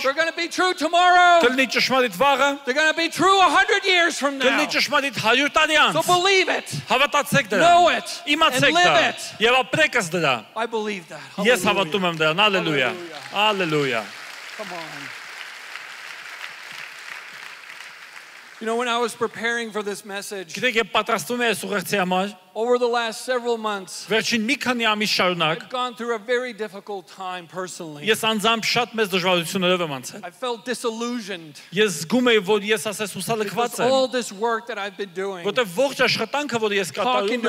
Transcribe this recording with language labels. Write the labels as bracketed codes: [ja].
[en] They're going to be true tomorrow. [hy] Կլինի ճշմարիտ վաղը։ [en] They're going to be true 100 years from now. [hy] Կլինի ճշմարիտ 100 տարի անց։ [en] So believe it. [hy] Հավատացեք դրան։ [en] Know it. [hy] Իմացեք դա։ Եվ ապրեք ես դրա։ [en] I believe that. Hallelujah. [hy] Ես հավատում եմ դրան։ Հալելույա։ Հալելույա։ [en] Come on. You know when I was preparing for this message, [hy] Գիտեք եմ պատրաստվում էի այս ուղղացի համար։ [en] Over the last several months, [hy] Վերջին մի քանի ամիս շարունակ, [en] I've gone through a very difficult time personally. [hy] Ես անձամբ շատ մեծ դժվարություններով եմ անցել։ [en] I felt disillusioned. [hy] Ես զգում էի, որ ես ասես հուսալքված եմ։ [en] All this work that I've been doing. [hy] Որտեղ ողջ աշխատանքը, որ ես կատարում